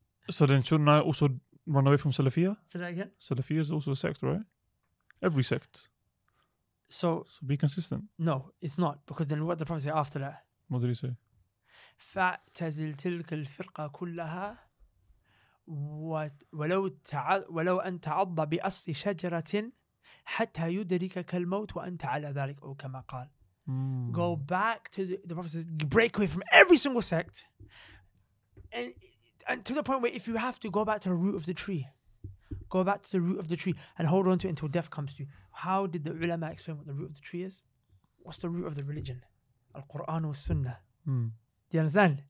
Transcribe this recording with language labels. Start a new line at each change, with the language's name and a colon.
English: So then shouldn't I also run away from Salafiyah? Say that again? Salafiyah is also a sect, right? Every sect. So be consistent. No, it's not. Because then what did the Prophet say after that? What did he say?
Arabic: فَأْتَزِلْ تِلْكَ الْفِرْقَ كُلَّهَا ولو أن تعض بأصل شجرة حتى يدركك الموت وأنت على ذلك أو كما قال.
English: Go back to the Prophet says, break away from every single sect, and to the point where if you have to go back to the root of the tree, go back to the root of the tree and hold on to it until death comes to you. How did the ulama explain what the root of the tree is? What's the root of the religion? Al Quran or Sunnah. Do you understand?